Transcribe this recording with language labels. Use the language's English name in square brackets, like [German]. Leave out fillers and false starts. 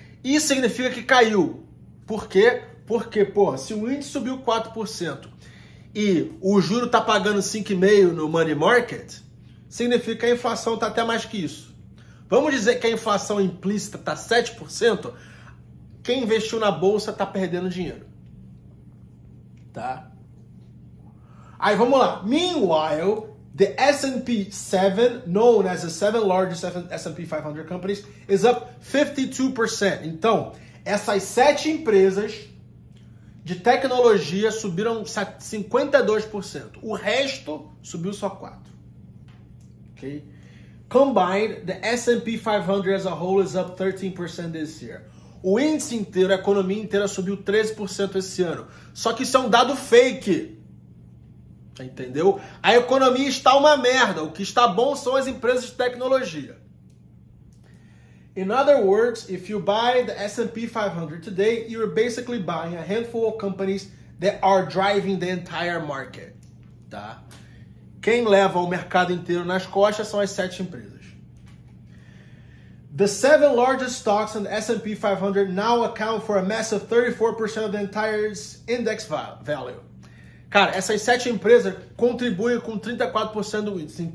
[Portuguese] Isso significa que caiu. Por quê? Porque, pô, se o índice subiu 4% e o juro tá pagando 5,5% no money market, significa que a inflação tá até mais que isso. Vamos dizer que a inflação implícita tá 7%, quem investiu na bolsa tá perdendo dinheiro. Tá? Aí, vamos lá. [English] Meanwhile, the S&P 7, known as the 7 largest S&P 500 companies, is up 52%. [Portuguese] Então, essas 7 empresas de tecnologia subiram 52%. O resto subiu só 4%. Okay? [English] Combined, the S&P 500 as a whole is up 13% this year. [Portuguese] O índice inteiro, a economia inteira subiu 13% esse ano. Só que isso é um dado fake. Entendeu? A economia está uma merda. O que está bom são as empresas de tecnologia. [English] In other words, if you buy the S&P 500 today, you're basically buying a handful of companies that are driving the entire market. [Portuguese] Tá? Quem leva o mercado inteiro nas costas são as 7 empresas. [English] The 7 largest stocks in the S&P 500 now account for a massive 34% of the entire index value. [Portuguese] Cara, essas 7 empresas contribuem com 34% do índice.